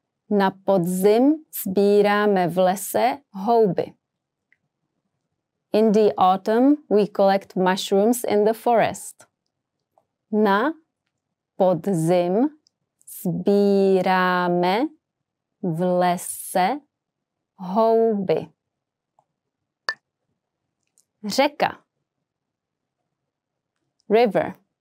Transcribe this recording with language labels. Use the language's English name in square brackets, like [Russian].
[Czech] Na podzim sbíráme v lese houby. [English] In the autumn we collect mushrooms in the forest. [Czech] Na podzim sbíráme v lese houby. Řeka. [English] River.